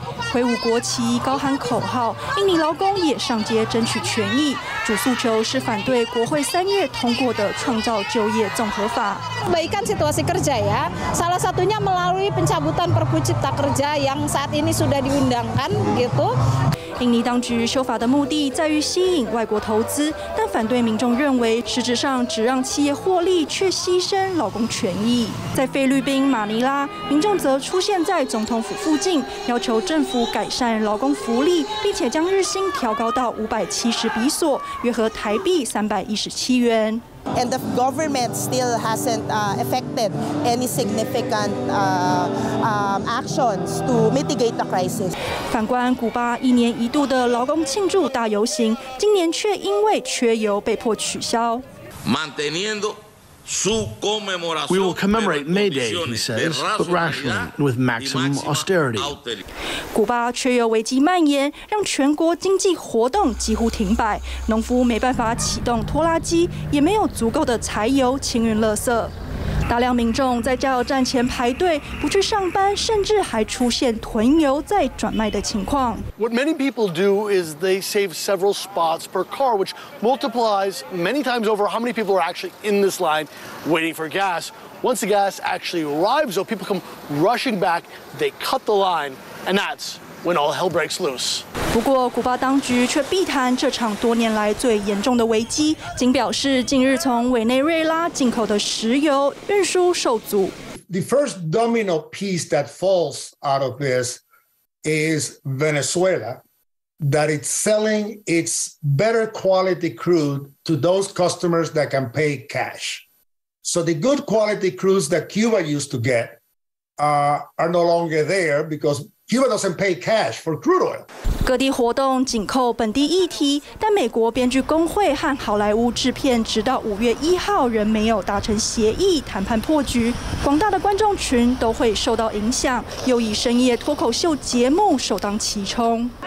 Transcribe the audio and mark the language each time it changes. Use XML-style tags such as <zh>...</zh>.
<zh>挥舞国旗，高喊口号，印尼劳工也上街争取权益。主诉求是反对国会三月通过的创造就业综合法。</zh> <id>Baikkan situasi kerja ya, salah satunya melalui pencabutan Perpu Cipta Kerja yang saat ini sudah diundangkan gitu。</id> <zh>印尼当局修法的目的在于吸引外国投资，但反对民众认为，实质上只让企业获利，却牺牲劳工权益。在菲律宾马尼拉，民众则出现在总统府附近，要求政府改善劳工福利，并且将日薪调高到570比索，约合台币317元。</zh> <en>And the government still hasn't affected any significant actions to mitigate the crisis.</en> <zh>反观古巴一年一度的劳工庆祝大游行，今年却因为缺油被迫取消。</zh> <es>Manteniendo su conmemoración.</es> <en>We will commemorate May Day, he says, but rationally, with maximum austerity.</en> <zh>古巴缺油危机蔓延，让全国经济活动几乎停摆，农夫没办法启动拖拉机，也没有足够的柴油清运垃圾。大量民众在加油站前排队，不去上班，甚至还出现囤油再转卖的情况。</zh> <en>What many people do is they save several spots per car, which multiplies many times over how many people are actually in this line waiting for gas. Once the gas actually arrives, though, people come rushing back, they cut the line, and that's when all hell breaks loose.</en> <zh>不过，古巴当局却避谈这场多年来最严重的危机，仅表示近日从委内瑞拉进口的石油运输受阻。</zh> <en>The first domino piece that falls out of this is Venezuela, that it's selling its better quality crude to those customers that can pay cash. So the good quality crudes that Cuba used to get are no longer there because. Cuba doesn't pay cash for crude oil.</en> <zh>各地活动紧扣本地议题，但美国编剧工会和好莱坞制片直到5月1号仍没有达成协议，谈判破局，广大的观众群都会受到影响，又以深夜脱口秀节目首当其冲。</zh>